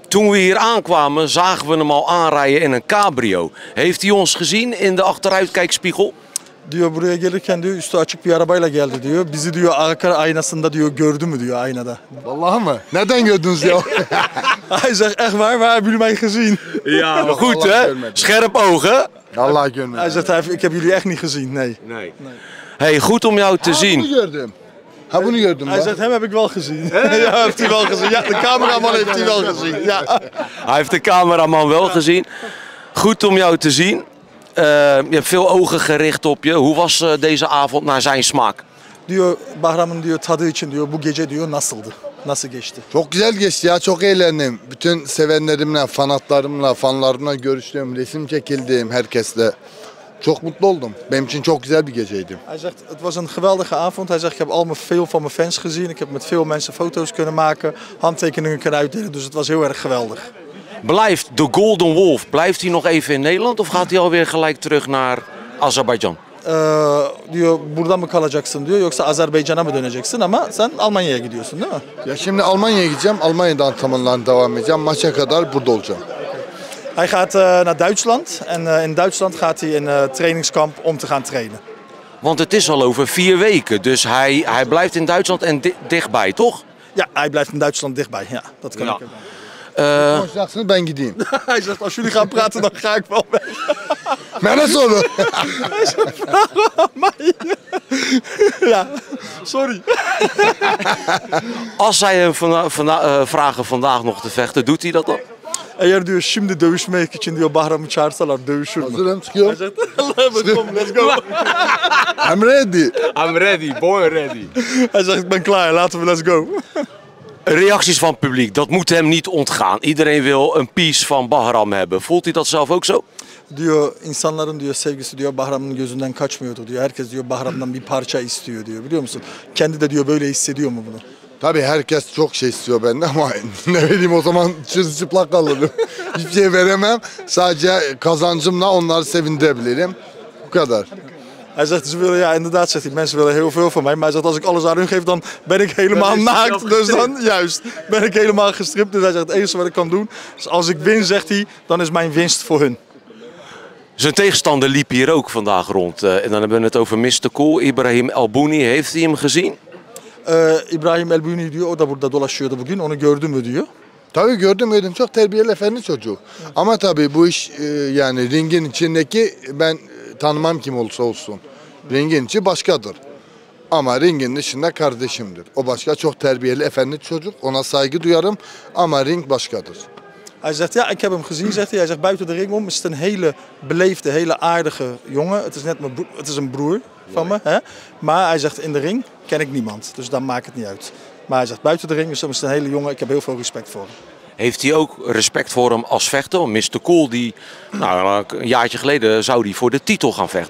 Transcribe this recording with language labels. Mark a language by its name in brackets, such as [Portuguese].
[Dutch] Toen we hier aankwamen, zagen we hem al aanrijden in een cabrio. Heeft hij ons gezien in de achteruitkijkspiegel? [Turkish] Diyor buraya gelirken diyor üstü açık bir arabayla geldi diyor. Bizi diyor arka aynasında diyor gördü mü diyor aynada. Vallahi mi? Neden gördünüz ya? [Dutch] Hij zegt echt waar, waar hebben jullie mij gezien? Ja, maar goed hè. Scherp ogen. [Turkish] Allah gönlüm. [Dutch] Hij zegt ik heb jullie echt niet gezien. Nee. Hey, goed om jou te zien. [Turkish] Hij gördüm. Ha bunu gördüm. [Dutch] Hij zegt hem heb ik wel gezien. Ja, heeft hij wel gezien. Ja, de cameraman heeft hij wel gezien. Ja. Hij heeft de cameraman wel gezien. Goed om jou te zien. Je hebt veel ogen gericht op je. Hoe was deze avond naar zijn smaak? [Turkish] Diyor Bahram'ın diyor tadı için diyor bu gece diyor nasıldı? Nasıl geçti? Çok güzel geçti ya. Çok eğlendim. Bütün sevenlerimle, fanatlarımla, fanlarımla görüştüm, resim çekildim herkesle. Çok mutlu oldum. Benim için çok güzel bir geceydi. [Dutch] Hij zegt het was een geweldige avond. Hij zegt ik heb veel van mijn fans gezien. Ik heb met veel mensen foto's kunnen maken, handtekeningen kunnen uitdelen. Dus het was heel erg geweldig. Blijft de Golden Wolf, blijft hij nog even in Nederland of gaat hij alweer gelijk terug naar Azerbeidzjan? [Turkish] Diyor burada mı kalacaksın diyor yoksa Azerbaycan'a mı döneceksin ama sen Almanya'ya gidiyorsun değil mi? Ya şimdi Almanya'ya gideceğim. Almanya'da antrenmanlarına devam edeceğim. Maça kadar burada olacağım. [Dutch] Hij gaat naar Duitsland en in Duitsland gaat hij in trainingskamp om te gaan trainen. Want het is al over 4 weken, dus hij blijft in Duitsland en dichtbij, toch? Ja, hij blijft in Duitsland dichtbij. Ja, dat kan ik. [Turkish] Ben gideyim. [Dutch] Hij zegt als jullie gaan praten dan ga ik wel weg. Maar dat is zo. Ja, sorry. Als zij hem vragen vandaag nog te vechten, doet hij dat dan? [Turkish] Eğer diyor şimdi dövüşmek için diyor Bahram'ı çağırsalar dövüşür mü? Hazırım çıkıyorum. [English] Let's go. I'm ready. I'm ready, boy ready. [Dutch] Hij zegt ik ben klaar, laten we [English] let's go. [Dutch] Reacties van het publiek, dat moet hem niet ontgaan. Iedereen wil een piece van Bahram hebben. Voelt hij dat zelf ook zo? [Turkish] Diyor insanların diyor sevgisi diyor Bahram'ın gözünden kaçmıyordu diyor. Herkes diyor Bahram'dan bir parça istiyor diyor. Biliyor musun? Kendi de diyor böyle hissediyor mu bunu? Tabii herkes çok şey istiyor benden ama ne bileyim o zaman çıplak kalırım. Hiçbir şey veremem. Sadece kazancımla onları sevindirebilirim. Bu kadar. [Dutch] Hij zegt, ze willen, ja inderdaad, zegt hij, mensen willen heel veel van mij. Maar hij zegt, als ik alles aan hun geef, dan ben ik helemaal naakt. Dus dan, juist, ben ik helemaal gestript. Dus hij zegt, het enige wat ik kan doen, is als ik win, zegt hij, dan is mijn winst voor hun. Zijn tegenstander liep hier ook vandaag rond. En dan hebben we het over Mr. Cool, Ibrahim Elbouni. Heeft hij hem gezien? [Turkish] Ibrahim Elbouni, diyor, o da burada dolaşıyordu bugün. Onu gördü mü, diyor. Tabii gördüm, gördüm. Çok terbiyeli, efendi çocuğu. Ama tabii bu iş, yani ringin içindeki, ben tanımam kim olursa olsun. Ringin içi başkadır. Ama ringin dışında kardeşimdir. O başka, çok terbiyeli, efendi çocuk. Ona saygı duyarım ama ring başkadır. [Dutch] Hij zegt, ja, ik heb hem gezien, zegt hij. Hij zegt, buiten de ring om is het een hele beleefde, hele aardige jongen. Het is net het is een broer van me. Hè? Maar hij zegt, in de ring ken ik niemand. Dus dan maakt het niet uit. Maar hij zegt, buiten de ring is het een hele jongen. Ik heb heel veel respect voor hem. Heeft hij ook respect voor hem als vechter? Mr. Cool, die, nou, een jaartje geleden zou hij voor de titel gaan vechten.